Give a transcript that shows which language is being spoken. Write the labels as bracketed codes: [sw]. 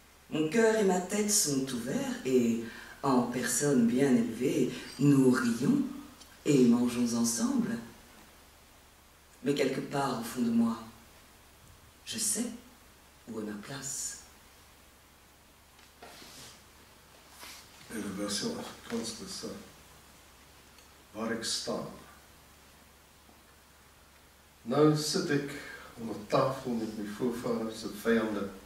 [fr] Mon cœur et ma tête sont ouverts et, en personne bien élevée, nous rions et mangeons ensemble. Mais quelque part au fond de moi, je sais où est ma place. Et la version afrikaanse de ça, [af] waar ik sta. Nou sit ek om 'n tafel met my voorvaders en vyande.